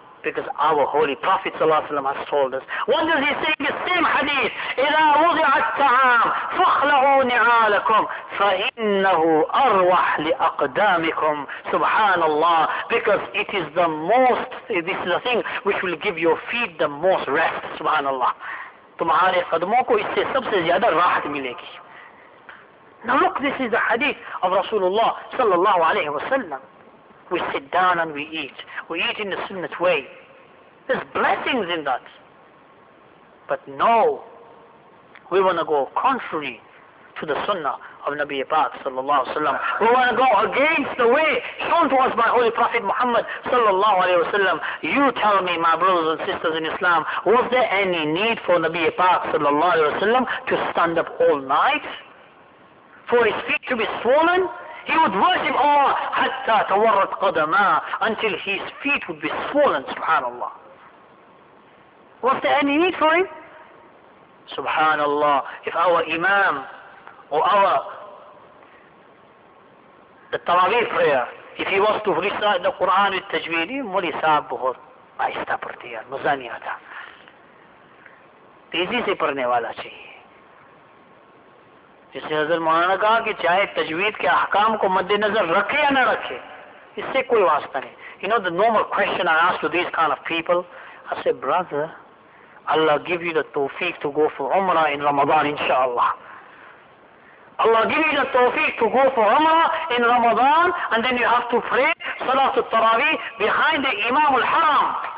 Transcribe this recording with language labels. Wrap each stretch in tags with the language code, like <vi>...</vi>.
<en>Because our Holy Prophet ﷺ has told us. What does he say in the same hadith?</en> <ar>إِذَا وُضِعَ الطَّعَامُ فَخْلَعُوا نِعَالَكُمْ فَإِنَّهُ أَرْوَحْ لِأَقْدَامِكُمْ. Subhanallah.</ar> <en>Because it is the most, this is the thing which will give your feet the most rest. Subhanallah.</en> <ur>تمہارے قدموں کو اس سے سب سے زیادہ راحت ملے گی.</ur> <en>Now look, this is the hadith of Rasulullah sallallahu alayhi wa sallam. We sit down and we eat. We eat in the sunnah way. There's blessings in that. But no, we want to go contrary to the sunnah of Nabi Pak sallallahu alayhi wa sallam. We want to go against the way shown to us by Holy Prophet Muhammad sallallahu alayhi wa sallam. You tell me, my brothers and sisters in Islam, was there any need for Nabi Pak sallallahu alayhi wa sallam to stand up all night? For his feet to be swollen? He would worship Allah</en> <ar>حَتَّى تَوَرَّتْ قَدَمَا,</ar> <en>until his feet would be swollen, subhanallah. Was there any need for him? Subhanallah. If our Imam or the Taraweeh prayer, if he was to recite the Quran with Tajweed, مُلِي سَابُهُ مَعِسْتَى پَرْتِيَا مُزَانِيَةَ.</en> <ur>تیزی سے پڑھنے والا چاہیے. جس نے حضرت مولانا کہا کہ چاہے تجوید کے احکام کو مد نظر رکھے یا نہ رکھے, اس سے کوئی واسطہ نہیں.</ur> <en>You know the normal question I ask to these kind of people, I said, brother, Allah give you the tawfiq to go for Umrah in Ramadan, inshallah. Allah give you the tawfiq to go for Umrah in Ramadan, and then you have to pray Salatul Taraweeh behind the Imam al-Haram.</en>